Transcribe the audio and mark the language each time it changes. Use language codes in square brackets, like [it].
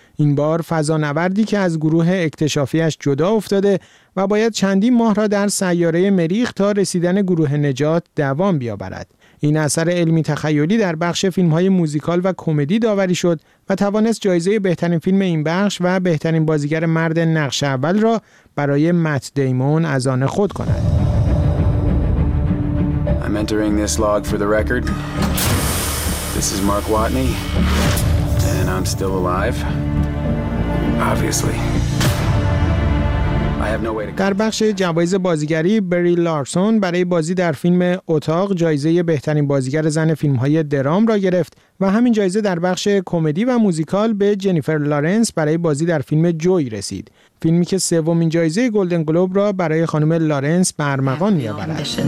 [fa] این بار فضانوردی که از گروه اکتشافیش جدا افتاده و باید چندین ماه را در سیاره مریخ تا رسیدن گروه نجات دوام بیاورد. این اثر علمی تخیلی در بخش فیلم‌های موزیکال و کمدی داوری شد و توانست جایزه بهترین فیلم این بخش و بهترین بازیگر مرد نقش اول را برای مت دیمون از آن خود کند. [en] I'm entering this log for the record. This is Mark Watney, and I'm still alive. Obviously. [fa] در بخش جوایز بازیگری بری لارسون برای بازی در فیلم اتاق جایزه بهترین بازیگر زن فیلم‌های درام را گرفت و همین جایزه در بخش کمدی و موزیکال به جنیفر لارنس برای بازی در فیلم جوی رسید، فیلمی که 3rd جایزه گلدن گلوب را برای خانم لارنس برمغان می‌آورد.